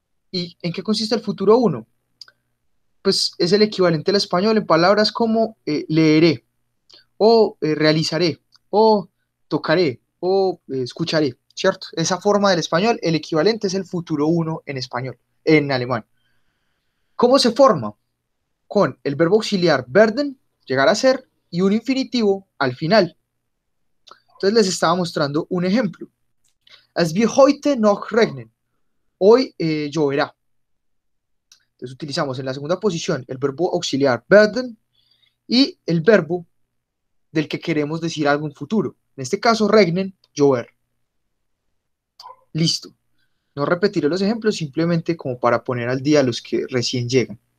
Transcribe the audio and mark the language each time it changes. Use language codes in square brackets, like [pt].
[es] ¿Y en qué consiste el futuro 1? Pues es el equivalente al español en palabras como leeré, o realizaré, o tocaré, o escucharé, ¿cierto? Esa forma del español, el equivalente es el futuro 1 en español, en alemán. ¿Cómo se forma? Con el verbo auxiliar werden, llegar a ser, y un infinitivo al final. Entonces les estaba mostrando un ejemplo. [de] Es wie heute noch regnen. [es] Hoy lloverá. Entonces utilizamos en la segunda posición el verbo auxiliar werden y el verbo del que queremos decir algo en futuro. En este caso, regnen, llover. Listo. No repetiré los ejemplos, simplemente como para poner al día a los que recién llegan.